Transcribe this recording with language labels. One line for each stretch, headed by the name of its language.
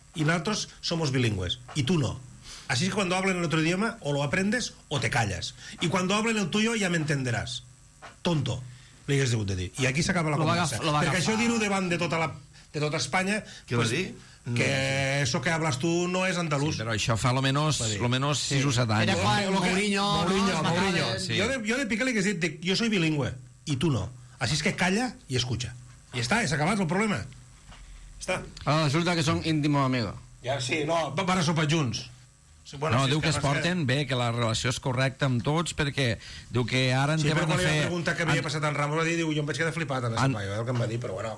Spanish: Y nosotros somos bilingües, y tú no. Así es que cuando hablen el otro idioma, o lo aprendes o te calles. Y cuando hablen el tuyo, ya me entenderás. Tonto,
Catalan: li hagués hagut de dir. I aquí s'acaba la conversa. Perquè això dir-ho davant de tota Espanya... Què vols dir?
Spanish: Que eso que hablas tú no es andaluz.
Catalan: Sí, pero això fa lo menos 6 o 7 anys. Era quan Mourinho. Jo de Piqué li hagués dit, jo
Spanish: soy bilingüe,
Catalan: i tu no.
Spanish: Así es que calla
Catalan: i
Spanish: escucha.
Catalan: I està, és acabat el problema. Està. Ara resulta que són
Spanish: íntimos amigos.
Catalan: Ja, sí, no, van a sopar junts. Bueno, no, si diu que es porten bé, que la relació és correcta amb tots, perquè diu que ara en Tevan... Sí, però quan li va preguntar què havia passat en Ramos, va dir, diu, jo em vaig quedar flipat en l'espai, el que em va dir, però bueno,